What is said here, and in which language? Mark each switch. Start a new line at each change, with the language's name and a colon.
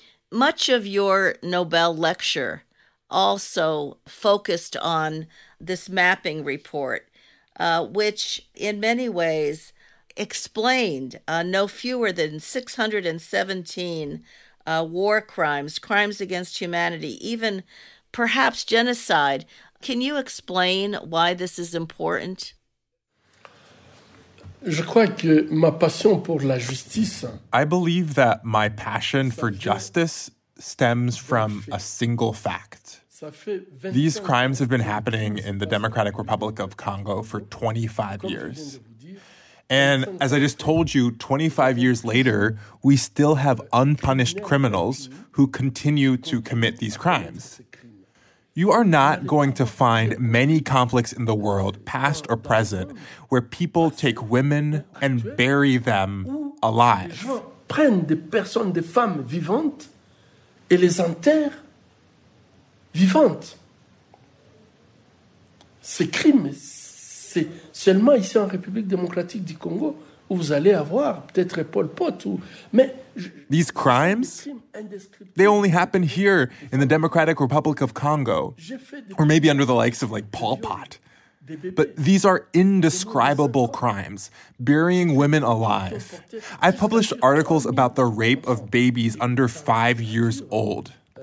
English: Much of your Nobel lecture also focused on this mapping report, which in many ways explained no fewer than 617 war crimes, crimes against humanity, even perhaps genocide. Can you explain why this is important?
French: Je crois que ma passion pour la justice.
English: I believe that my passion for justice stems from a single fact. These crimes have been happening in the Democratic Republic of Congo for 25 years. And as I just told you, 25 years later, we still have unpunished criminals who continue to commit these crimes. You are not going to find many conflicts in the world, past or present, where people take women and bury them alive.
French: Prennent des personnes, des femmes vivantes et les enterrent vivantes. C'est crime. C'est seulement ici en République démocratique du Congo où vous allez avoir peut-être Pol Pot ou mais.
English: These crimes, they only happen here in the Democratic Republic of Congo, or maybe under the likes of like Pol Pot. But these are indescribable crimes, burying women alive. I've published articles about the rape of babies under 5 years old.